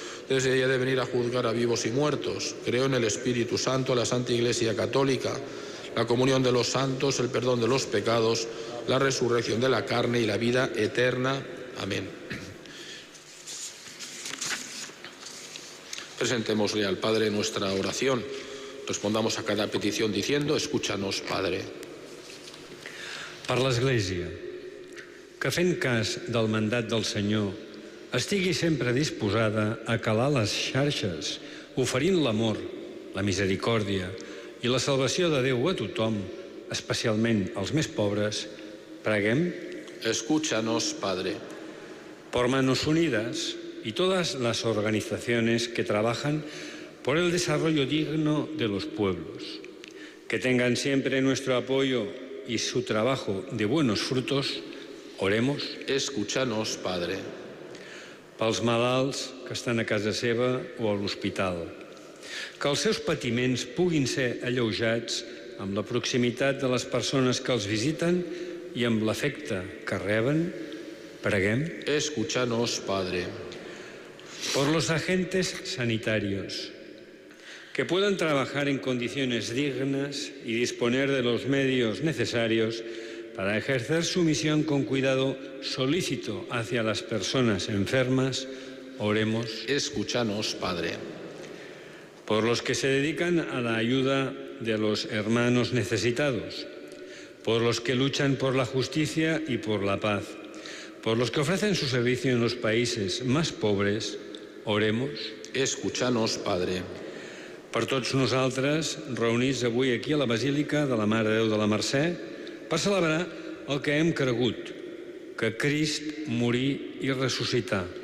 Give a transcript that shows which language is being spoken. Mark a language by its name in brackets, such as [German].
[Spanish] Desde allí ha de venir a juzgar a vivos y muertos. Creo en el Espíritu Santo, la Santa Iglesia Católica, la comunión de los santos, el perdón de los pecados, la resurrección de la carne y la vida eterna. Amén. Presentémosle al Padre nuestra oración. Respondamos a cada petición diciendo: escúchanos, Padre. [Catalan] Per l'Església, que fent cas del mandat del Senyor estigui sempre disposada a calar les xarxes, oferint l'amor, la misericòrdia i la salvació de Déu a tothom, especialment als més pobres, preguem. [Spanish] Escúchanos, Padre. Por Manos Unidas y todas las organizaciones que trabajan por el desarrollo digno de los pueblos, que tengan siempre nuestro apoyo y su trabajo de buenos frutos, oremos. Escúchanos, Padre. [Catalan] Pels malalts que estan a casa seva o a l'hospital, que els seus patiments puguin ser alleujats amb la proximitat de les persones que els visiten i amb l'afecte que reben, preguem. [Spanish] Escúchanos, Padre. Por los agentes sanitarios, que puedan trabajar en condiciones dignas y disponer de los medios necesarios para ejercer su misión con cuidado solícito hacia las personas enfermas, oremos. Escúchanos, Padre. Por los que se dedican a la ayuda de los hermanos necesitados, por los que luchan por la justicia y por la paz, por los que ofrecen su servicio en los países más pobres, oremos. Escúchanos, Padre. [Catalan] Per tots nosaltres, reunits avui aquí a la Basílica de la Mare de Déu de la Mercè, per celebrar el que hem cregut, que Crist morí i ressuscità.